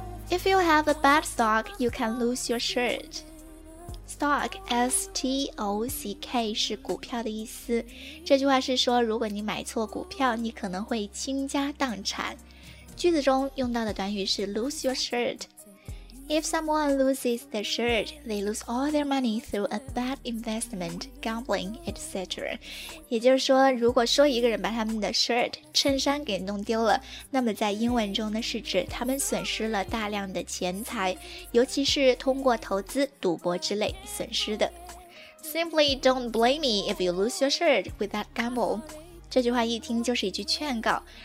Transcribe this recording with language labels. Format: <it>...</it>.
<en>If you have a bad stock, you can lose your shirt.</en> <zh>Stock, S-T-O-C-K, 是股票的意思。这句话是说，如果你买错股票，你可能会倾家荡产。句子中用到的短语是</zh> <en>lose your shirt. If someone loses their shirt, they lose all their money through a bad investment, gambling, etc.</en> <zh>也就是说，如果说一个人把他们的 shirt, 衬衫给弄丢了，那么在英文中呢，是指他们损失了大量的钱财，尤其是通过投资、赌博之类损失的。</zh> <en>Simply don't blame me if you lose your shirt with that gamble.</en> <zh>这句话一听就是一句劝告。</zh>